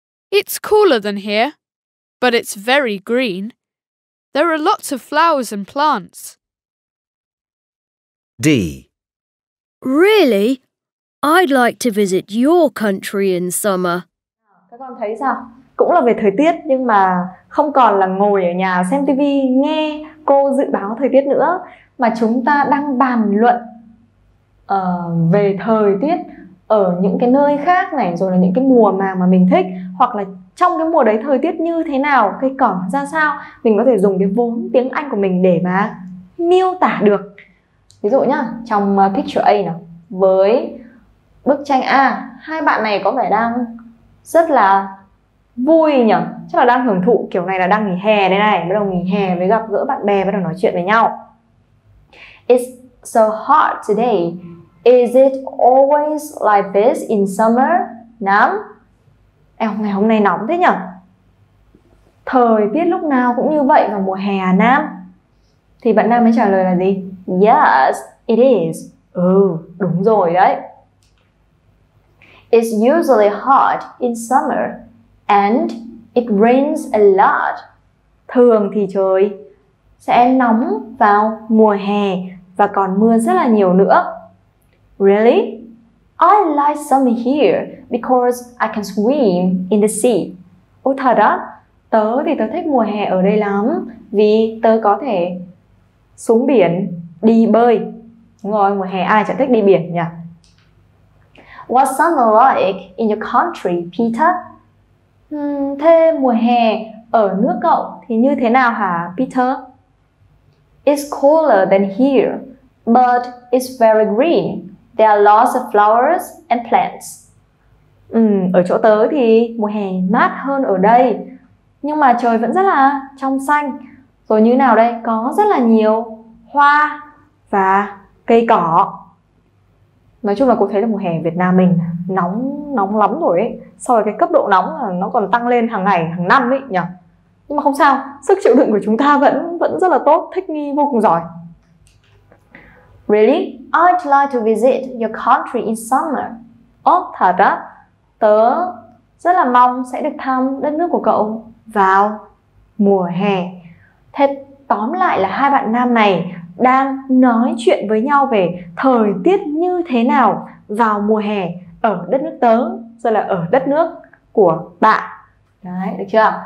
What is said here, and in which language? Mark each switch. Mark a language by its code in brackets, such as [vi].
[en] It's cooler than here, but it's very green. There are lots of flowers and plants. D. Really? I'd like to visit your country in summer. [vi] Các con thấy sao? Cũng là về thời tiết nhưng mà không còn là ngồi ở nhà xem TV nghe cô dự báo thời tiết nữa, mà chúng ta đang bàn luận về thời tiết ở những cái nơi khác này, rồi là những cái mùa màng mà mình thích, hoặc là trong cái mùa đấy thời tiết như thế nào, cây cỏ ra sao, mình có thể dùng cái vốn tiếng Anh của mình để mà miêu tả được. Ví dụ nhá, trong picture A nào, với bức tranh A, hai bạn này có vẻ đang rất là vui nhỉ, chắc là đang hưởng thụ, kiểu này là đang nghỉ hè đây này, bắt đầu nghỉ hè mới gặp gỡ bạn bè, bắt đầu nói chuyện với nhau. [en] It's so hot today. Is it always like this in summer, Nam? [vi] Ngày hôm nay nóng thế nhỉ? Thời tiết lúc nào cũng như vậy vào mùa hè à, Nam? Thì bạn Nam mới trả lời là gì? [en] Yes, it is. [vi] Ừ, đúng rồi đấy. [en] It's usually hot in summer and it rains a lot. [vi] Thường thì trời sẽ nóng vào mùa hè và còn mưa rất là nhiều nữa. [en] Really? I like summer here because I can swim in the sea. [vi] Ôi thật á, tớ thì tớ thích mùa hè ở đây lắm vì tớ có thể xuống biển đi bơi. Đúng rồi, mùa hè ai chẳng thích đi biển nhỉ? [en] What's summer like in your country, Peter? [vi] Thế mùa hè ở nước cậu thì như thế nào hả, Peter? [en] It's cooler than here, but it's very green. There are lots of flowers and plants. [vi] Ở chỗ tớ thì mùa hè mát hơn ở đây, nhưng mà trời vẫn rất là trong xanh. Rồi như nào đây? Có rất là nhiều hoa và cây cỏ. Nói chung là cô thấy là mùa hè Việt Nam mình nóng nóng lắm rồi ấy. So với cái cấp độ nóng là nó còn tăng lên hàng ngày, hàng năm ấy nhỉ. Nhưng mà không sao, sức chịu đựng của chúng ta vẫn vẫn rất là tốt, thích nghi vô cùng giỏi. [en] Really? I'd like to visit your country in summer. [vi] Oh, thật á? Tớ rất là mong sẽ được thăm đất nước của cậu vào mùa hè. Thế tóm lại là hai bạn nam này đang nói chuyện với nhau về thời tiết như thế nào vào mùa hè ở đất nước tớ, rồi là ở đất nước của bạn. Đấy, được chưa?